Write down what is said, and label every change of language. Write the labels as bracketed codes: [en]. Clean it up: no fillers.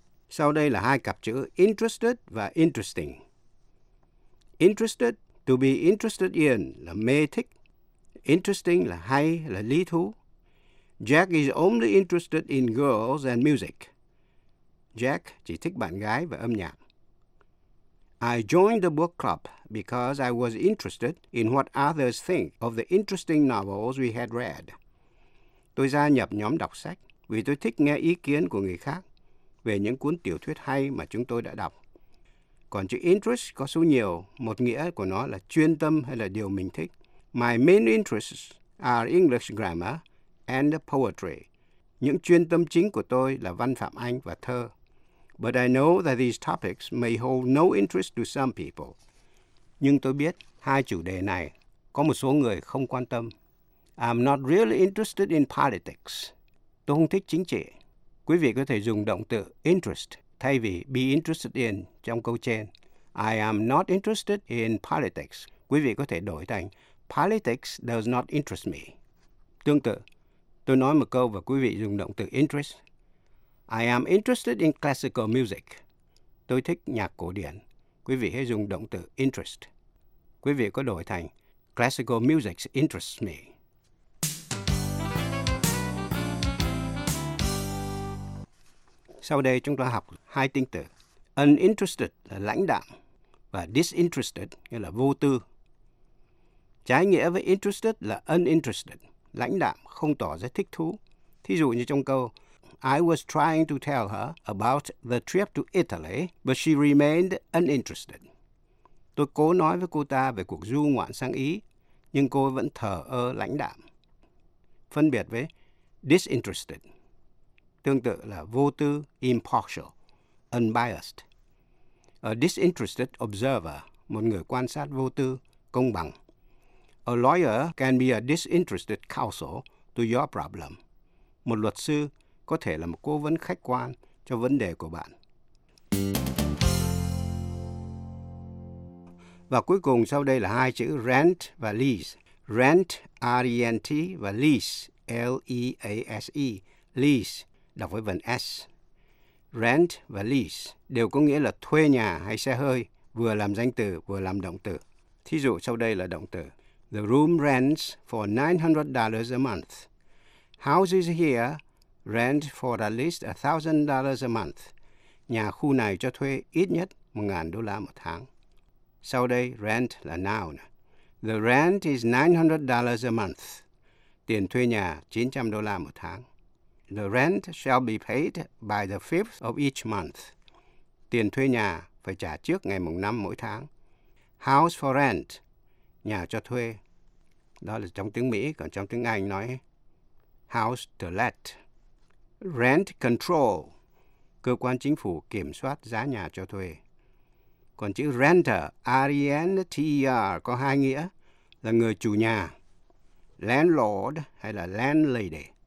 [vi] Sau đây là hai cặp chữ interested và interesting. Interested, to be interested in, là mê thích. Interesting là hay, là lý thú. [en] Jack is only interested in girls and music. [vi] Jack chỉ thích bạn gái và âm nhạc. [en] I joined the book club because I was interested in what others think of the interesting novels we had read. [vi] Tôi gia nhập nhóm đọc sách vì tôi thích nghe ý kiến của người khác về những cuốn tiểu thuyết hay mà chúng tôi đã đọc. Còn chữ interest có số nhiều, một nghĩa của nó là chuyên tâm hay là điều mình thích. [en] My main interests are English grammar and poetry. [vi] Những chuyên tâm chính của tôi là văn phạm Anh và thơ. [en] But I know that these topics may hold no interest to some people. [vi] Nhưng tôi biết hai chủ đề này có một số người không quan tâm. [en] I'm not really interested in politics. [vi] Tôi không thích chính trị. Quý vị có thể dùng động từ interest thay vì be interested in trong câu trên. [en] I am not interested in politics. [vi] Quý vị có thể đổi thành [en] politics does not interest me. [vi] Tương tự, tôi nói một câu và quý vị dùng động từ interest. [en] I am interested in classical music. [vi] Tôi thích nhạc cổ điển. Quý vị hãy dùng động từ interest. Quý vị có đổi thành [en] classical music interests me. [vi] Sau đây chúng ta học hai tính từ. Uninterested là lãnh đạm và disinterested nghĩa là vô tư. Trái nghĩa với interested là uninterested, lãnh đạm, không tỏ ra thích thú. Thí dụ như trong câu [en] I was trying to tell her about the trip to Italy, but she remained uninterested. [vi] Tôi cố nói với cô ta về cuộc du ngoạn sang Ý, nhưng cô vẫn thờ ơ lãnh đạm. Phân biệt với disinterested, tương tự là vô tư, impartial, unbiased. [en] A disinterested observer, [vi] một người quan sát vô tư, công bằng. [en] A lawyer can be a disinterested counsel to your problem. [vi] Một luật sư có thể là một cố vấn khách quan cho vấn đề của bạn. Và cuối cùng sau đây là hai chữ rent và lease. Rent, R-E-N-T và lease, L-E-A-S-E, lease, đọc với vần S. Rent và lease đều có nghĩa là thuê nhà hay xe hơi, vừa làm danh từ vừa làm động từ. Thí dụ sau đây là động từ. [en] The room rents for $900 a month. Houses here rent for at least $1,000 a month. [vi] Nhà khu này cho thuê ít nhất $1,000 một tháng. Sau đây, rent là noun. [en] The rent is $900 a month. [vi] Tiền thuê nhà $900 một tháng. [en] The rent shall be paid by the 5th of each month. [vi] Tiền thuê nhà phải trả trước ngày mùng 5 mỗi tháng. [en] House for rent, [vi] nhà cho thuê. Đó là trong tiếng Mỹ, còn trong tiếng Anh nói [en] house to let. Rent control, [vi] cơ quan chính phủ kiểm soát giá nhà cho thuê. Còn chữ renter, R-E-N-T-E-R, có hai nghĩa là người chủ nhà, landlord hay là landlady.